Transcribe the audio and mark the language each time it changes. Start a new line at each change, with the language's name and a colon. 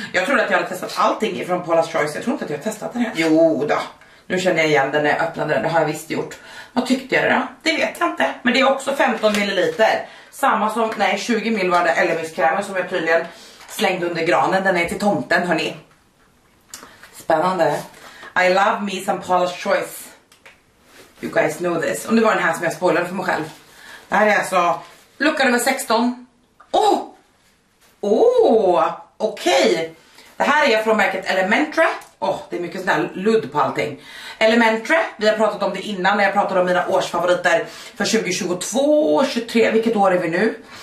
Swedish: Jag tror att jag har testat allting från Paula's Choice, jag tror inte att jag har testat den här. Jo då. Nu känner jag igen den när jag öppnade den, det har jag visst gjort. Vad tyckte jag då? Det vet jag inte. Men det är också 15 ml. Samma som, nej, 20 ml var det Elemis-krämen som jag tydligen slängde under granen. Den är till tomten, hörni. Spännande.
English: I love me some Paula's Choice. You guys know this.
Swedish: Och nu var den här som jag spoilade för mig själv. Det här är alltså lucka nummer 16. Åh! Åh! Okej! Det här är från märket Elementra. Åh, det är mycket sån här ludd på allting. Elementra, vi har pratat om det innan när jag pratade om mina årsfavoriter för 2022, 23, vilket år är vi nu?